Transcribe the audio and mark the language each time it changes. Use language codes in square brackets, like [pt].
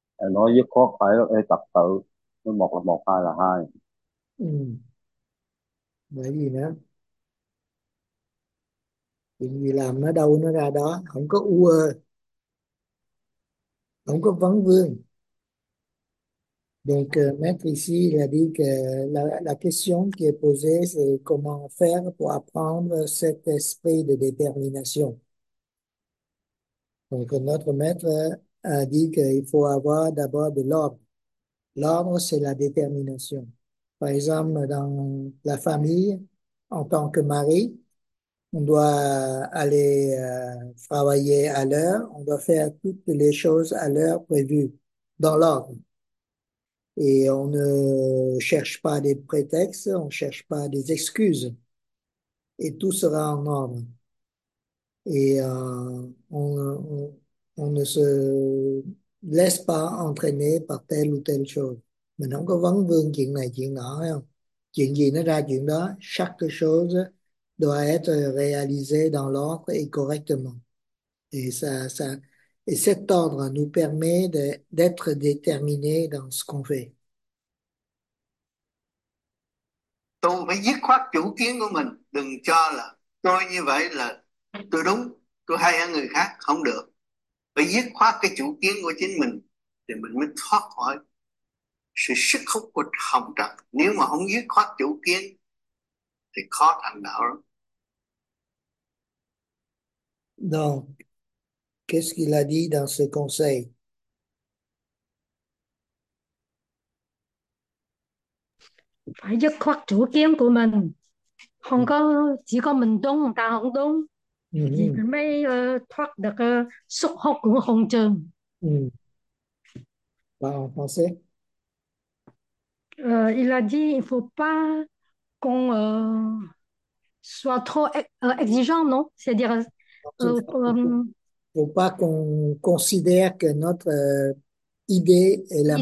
[vi] Nói dứt khoát phải là tập tự, với một là một, hai là hai. Ừ. Bởi vì nữa. Chuyện gì làm nó đâu nó ra đó, không có u ơ. Không có vấn vương. [fr] Donc, maître ici, il a dit que la question qui est posée, c'est comment faire pour apprendre cet esprit de détermination. Donc, notre maître a dit qu'il faut avoir d'abord de l'ordre. L'ordre, c'est la détermination. Par exemple, dans la famille, en tant que mari, on doit aller travailler à l'heure, on doit faire toutes les choses à l'heure prévue, dans l'ordre. Et on ne cherche pas des prétextes, on ne cherche pas des excuses. Et tout sera en ordre. et on ne se laisse pas entraîner par telle ou telle chose. [vi] Mình không có vấn vương chuyện này chuyện nọ, hay không? Chuyện gì nó ra chuyện đó, [fr] chaque chose doit être réalisée dans l'ordre et correctement. Et ça, et cet ordre nous permet d'être déterminés dans ce qu'on fait. [vi] Tôi phải dứt khoát chủ kiến của mình, đừng cho là tôi như vậy là tôi đúng, tôi hay hơn người khác, không được. Phải dứt khoát cái chủ kiến của chính mình thì mình mới thoát khỏi sự sức hút của hồng trần. Nếu mà không dứt khoát chủ kiến thì khó thành đạo lắm. [fr] Donc, qu'est-ce qu'il a dit dans ce conseil? [vi] Phải dứt khoát chủ kiến của mình, không có chỉ có mình đúng, ta không đúng thì mới thoát được sức hút của hồng trần. [fr] Bon, pensez. Il a dit il faut pas qu'on soit trop exigeant, non? C'est-à-dire Faut pas qu'on considère que notre idée est la l'idée